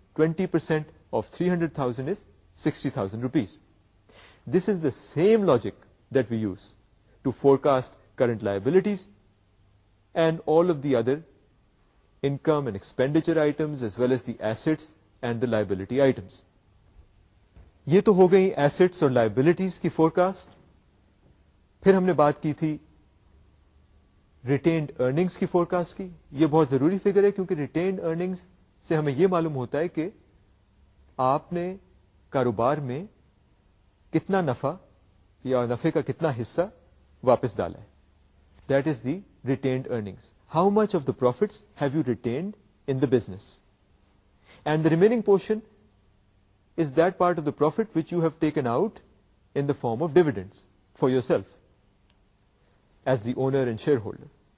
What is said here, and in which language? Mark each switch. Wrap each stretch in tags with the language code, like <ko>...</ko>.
<en>20% of 300,000 is 60,000 rupees. This is the same logic that we use to forecast current liabilities and all of the other income and expenditure items as well as the assets and the liability items.</en> <ur>یہ تو ہو گئی assets اور liabilities کی forecast. پھر ہم نے بات کی تھی retained earnings کی forecast کی. یہ بہت ضروری figure ہے کیونکہ retained earnings سے ہمیں یہ معلوم ہوتا ہے کہ آپ نے کاروبار میں کتنا نفع یا نفے کا کتنا حصہ واپس ڈالا ہے.</ur> <en>That is the retained earnings. How much of the profits have you retained in the business? And the remaining portion is that part of the profit which you have taken out in the form of dividends for yourself as the owner and shareholder.</en>